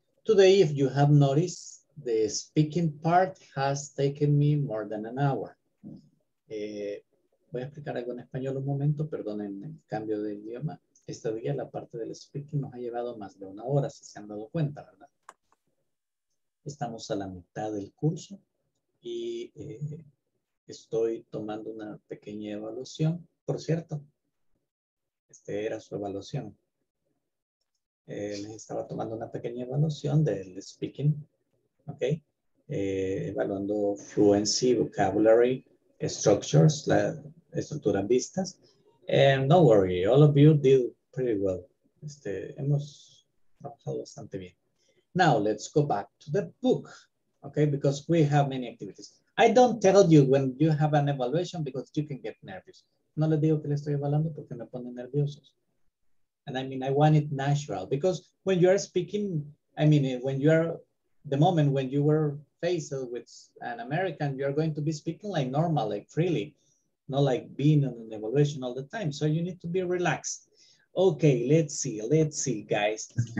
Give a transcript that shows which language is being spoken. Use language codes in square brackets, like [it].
[en] Today, if you have noticed, the speaking part has taken me more than an hour. [es] Voy a explicar algo en español un momento. Perdonen el cambio de idioma. Este día, la parte del speaking nos ha llevado más de una hora, si se han dado cuenta, ¿verdad? Estamos a la mitad del curso y estoy tomando una pequeña evaluación. Por cierto, este era su evaluación. Les estaba tomando una pequeña evaluación del speaking, ¿ok? Evaluando [en] fluency, vocabulary, structures, [es] la estructura vistas. [en] And don't worry, all of you did pretty well. [es] Hemos trabajado bastante bien. [en] Now let's go back to the book, okay? Because we have many activities. I don't tell you when you have an evaluation because you can get nervous. [es] No les digo que les estoy evaluando porque me ponen nerviosos. [en] And I mean, I want it natural because when you are speaking, I mean, when you are, the moment when you were faced with an American, you are going to be speaking like normal, like freely, not like being in an evaluation all the time. So you need to be relaxed. Okay, let's see, guys.